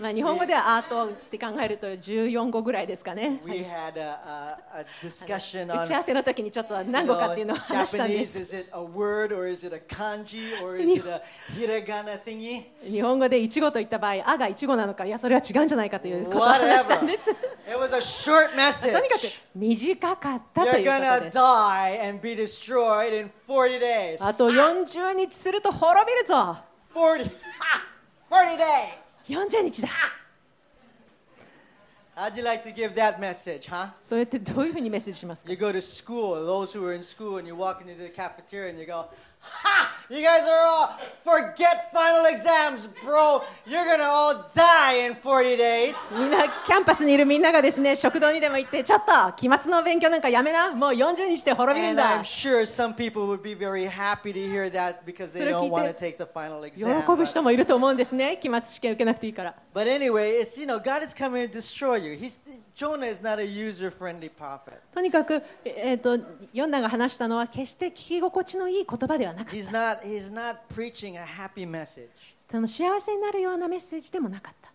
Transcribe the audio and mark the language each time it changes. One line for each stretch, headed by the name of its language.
Japanese: まあ日本語ではアートって考えると14個ぐらいですかね。
English: We had a discussion on
Japanese: 打ち合わせの時にちょっと何語かっていうのを話したんです。
English: Japanese, is it a word or is it a kanji or is it a hiragana thingy?
Japanese: 日本語で一語と言った場合、あが一語なのか、いやそれは違うんじゃないかということを話したんです。
English: It was a short message.
Japanese: とにかく短かったということです。
English: You're gonna die and be destroyed in 40 days.
Japanese: あと40日すると滅びるぞ。
English: 40 days.
Japanese: 40日だ。
English: How'd you like to give that message, huh?
Japanese: そうやってどういうふうにメッセージしますか。
English: You go to school. Those who are in school, and you walk into the cafeteria, and you go, "Ha! You guys are all forget final exams, bro. You're gonna all die in 40 days."
Japanese: みんなキャンパスにいるみんながですね、食堂にでも行って、ちょっと期末の勉強なんかやめな。もう40日で滅びるんだ。
English: And I'm sure some people would be very happy to hear that because they don't want to take the final exam.
Japanese: 喜ぶ人もいると思うんですね。期末試験受けなくていいから。
English: But anyway, it's you know, God is coming to destroy you. He's Jonah is not a user-friendly prophet.
Japanese: とにかく、ヨナが話したのは決して聞き心地のいい言葉ではなかった。
English: He's not preaching a happy message.
Japanese: その幸せになるようなメッセージでもなかった。